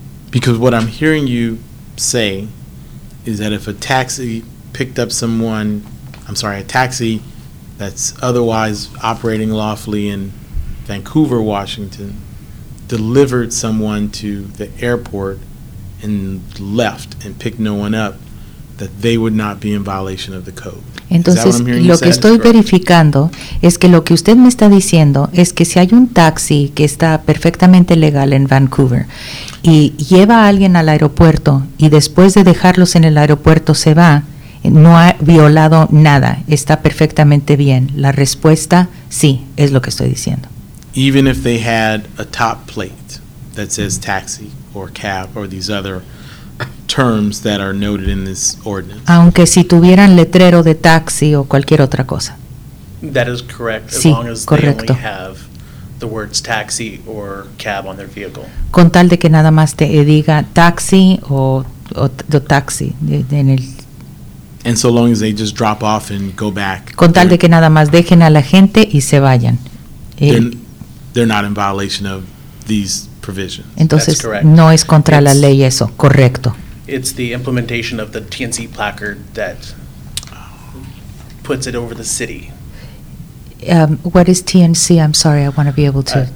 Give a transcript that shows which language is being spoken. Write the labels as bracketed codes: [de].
[en] Because what I'm hearing you say is that if a taxi picked up someone, I'm sorry, a taxi that's otherwise operating lawfully in Vancouver, Washington, delivered someone to the airport and left and picked no one up, that they would not be in violation of the code. [es] Entonces, lo que estoy verificando es que lo que usted me está diciendo es que si hay un taxi que está perfectamente legal en Vancouver y lleva a alguien al aeropuerto y después de dejarlos en el aeropuerto se va, no ha violado nada, está perfectamente bien. La respuesta, sí, es lo que estoy diciendo. [en] Even if they had a top plate that says taxi or cab or these other terms that are noted in this ordinance. [es] Aunque si tuvieran letrero de taxi o cualquier otra cosa. [en] That is correct, [es] sí, [en] as long as [es] correcto. [en] They only have the words taxi or cab on their vehicle. [es] Con tal de que nada más te diga taxi o taxi en el. [en] And so long as they just drop off and go back. [es] Con tal de que nada más dejen a la gente y se vayan. [en] They're not in violation of these. [es] Entonces, no es contra la ley eso, correcto. [en] It's the implementation of the TNC placard that puts it over the city. What is TNC? I'm sorry, I want to be able to...